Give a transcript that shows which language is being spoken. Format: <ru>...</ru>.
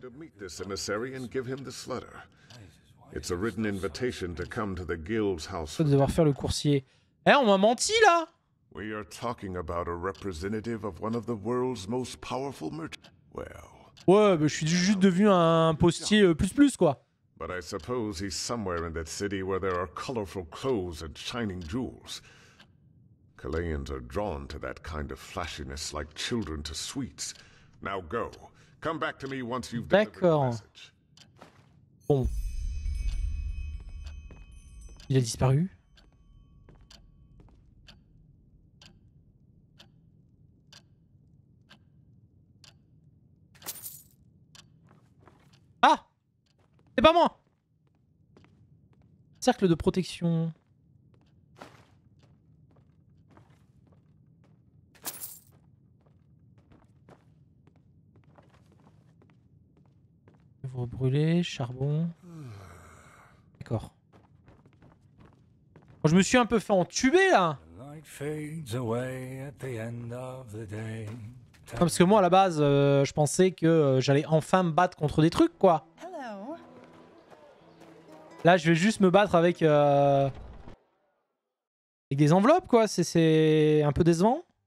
<en>To meet this emissary and give him this letter. It's a written invitation to come to the guild's house.</en> <fr>Faut devoir faire le coursier. Eh, on m'a menti là.</fr> <en>We are talking about a representative of one of the world's most powerful merchants. Well.</en> <fr>Ouais, bah, je suis juste devenu un postier plus quoi.</fr> <en>But I suppose he's somewhere in that city where there are colorful clothes and shining jewels. Calaisans are drawn to that kind of flashiness like children to sweets. Now go. Come back to me once you've delivered the message.</en> <fr>Bon. Il a disparu. Ah! C'est pas moi! Cercle de protection. Brûler, charbon. D'accord. Oh, je me suis un peu fait entuber là.</fr> <en>light fades away at the end of the day.</en> <fr>Non, parce que moi à la base je pensais que j'allais enfin me battre contre des trucs quoi.</fr> <en>Hello.</en> <fr>Là je vais juste me battre avec avec des enveloppes quoi, c'est un peu décevant.</fr>